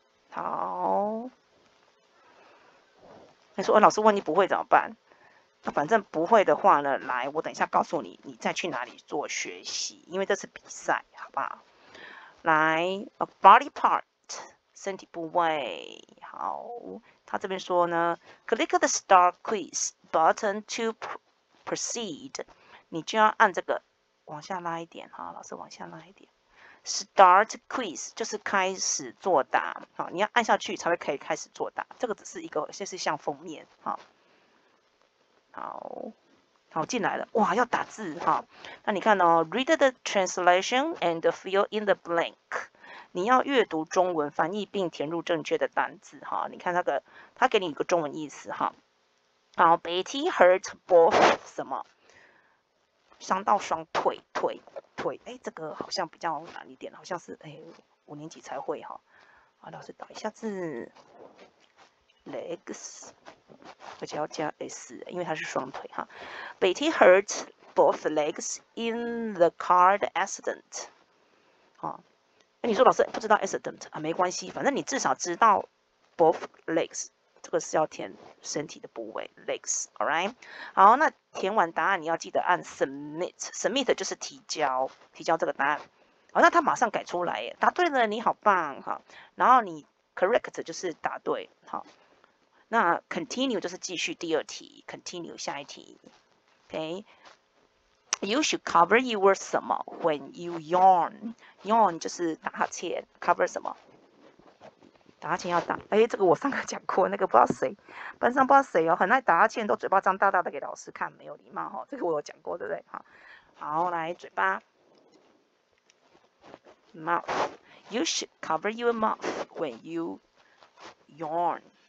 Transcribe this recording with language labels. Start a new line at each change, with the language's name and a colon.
Chinese: 好，你说，老师问你不会怎么办？那反正不会的话呢，来，我等一下告诉你，你再去哪里做学习，因为这是比赛，好不好？来 ，
English: a body part，
Chinese: 身体部位。好，他这边说呢 ，
English: click the start quiz button to proceed，
Chinese: 你就要按这个，往下拉一点哈，老师往下拉一点 ，start quiz 就是开始作答，好，你要按下去才会可以开始作答。这个只是一个，就是像封面，好，好，好进来了，哇，要打字哈。
English: 那你看哦 ，read the translation and fill in the blank。
Chinese: 你要阅读中文翻译并填入正确的单字哈。你看那个，他给你一个中文意思哈。
English: 好 ，Betty hurt both
Chinese: 什么？伤到双腿，腿，哎，这个好像比较难一点，好像是哎五年级才会哈。啊，老师打一下字。Legs， 而且要加 s， 因为它是双腿哈。
English: Betty hurt both legs in the car accident。
Chinese: 啊，哎，你说老师不知道 accident 啊？没关系，反正你至少知道 both legs， 这个是要填身体的部位 legs。
English: All right，
Chinese: 好，那填完答案你要记得按 submit， submit 就是提交，提交这个答案。好，那他马上改出来耶，答对了，你好棒哈。然后你 correct 就是答对，好。那 continue 就是继续第二题 ，continue 下一题 ，okay。
English: You should cover your
Chinese: 什么
English: when you yawn
Chinese: 就是打哈欠， cover 什么？打哈欠要打，哎，这个我上课讲过，那个不知道谁，班上不知道谁哦，很爱打哈欠，都嘴巴张大大的给老师看，没有礼貌哈、哦，这个我有讲过，对不对？好，好，来嘴巴 ，mouth。
English: You should cover your mouth when you yawn。